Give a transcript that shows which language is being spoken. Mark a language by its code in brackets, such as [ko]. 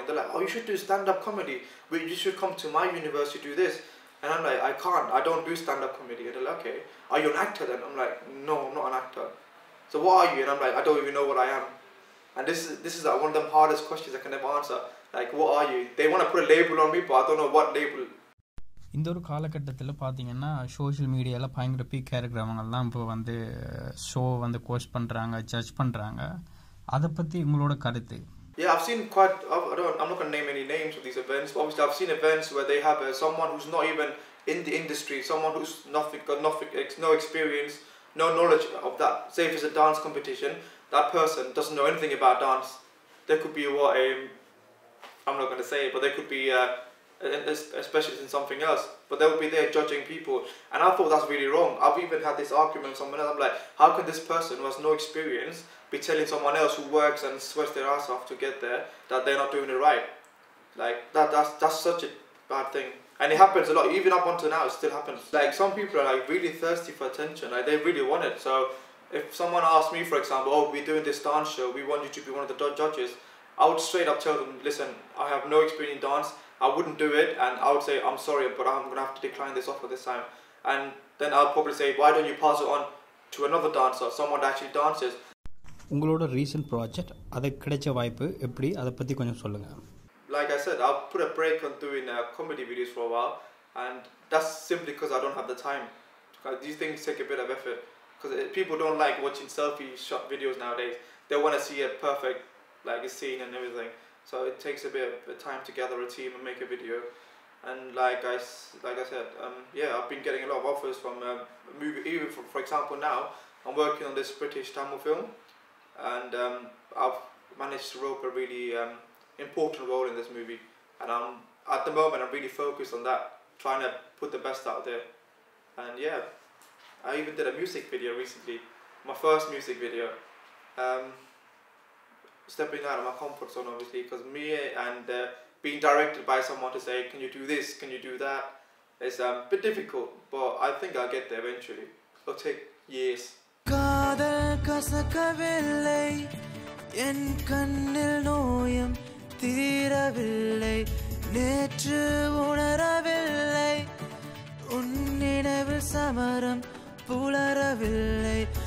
[en] And they're like, oh, you should do stand-up comedy. You should come to my university to do this. And I'm like, I can't. I don't do stand-up comedy. And they're like, okay. Are you an actor then? I'm like, no, I'm not an actor. So what are you? And I'm like, I don't even know what I am. And this is like one of the hardest questions I can ever answer. Like, what are you? They want to put a label on me, but I don't know what label. [ta] இந்த ஒரு காலகட்டத்தில் பார்த்தீங்கன்னா social மீடியாவில் பயங்கர பீக்காக இருக்கிறவங்கள்லாம் இப்போ வந்து show வந்து கோஸ்ட் பண்ணுறாங்க, ஜட்ஜ் பண்ணுறாங்க. அதை பற்றி உங்களோட கருத்து? [en] Yeah, I've seen I'm not going to name any names of these events, but obviously I've seen events where they have someone who's not even in the industry, someone who's no experience, no knowledge of that. Say if it's a dance competition, that person doesn't know anything about dance. There could be I'm not going to say it, but there could be a specialist in something else, but they'll be there judging people. And I thought that's really wrong. I've even had this argument with someone else. I'm like, how can this person who has no experience be telling someone else who works and sweats their ass off to get there that they're not doing it right? Like, that's such a bad thing. And it happens a lot. Even up until now, it still happens. Like, some people are, like, really thirsty for attention. Like, they really want it. So, if someone asked me, for example, oh, we're doing this dance show, we want you to be one of the judges, I would straight up tell them, listen, I have no experience in dance, I wouldn't do it, and I would say, I'm sorry, but I'm going to have to decline this offer this time. And then I'll probably say, why don't you pass it on to another dancer, someone that actually dances. [ta] உங்களோட recent project, அதை கிடைச்ச வாய்ப்பு எப்படி, அதை பற்றி கொஞ்சம் சொல்லுங்கள். [en] Like I set, I put a break on doing comedy videos for a while, and that's simply because I don't have the time. These things take a bit of effort, because people don't like வாட்சிங் selfie short videos nowadays. They want to see a perfect like a scene and everything. So it takes a bit of time to gather a team and make a video. And like I said, yeah, I have been getting a lot of offers from movie. Even for example, now I am working on this British Tamil film, and I've managed to rope a really important role in this movie, and I'm at the moment I'm really focused on that, trying to put the best out there. And yeah, I even did a music video recently, my first music video, stepping out of my comfort zone, obviously, because me and being directed by someone to say, can you do this, can you do that, it's a bit difficult, but I think I'll get there eventually. It'll take years. [ta] காதல் கசக்கவில்லை, என் கண்ணில் நோயும் தீரவில்லை, நேற்று உணரவில்லை, உன்னினவில் சமரம் புலரவில்லை.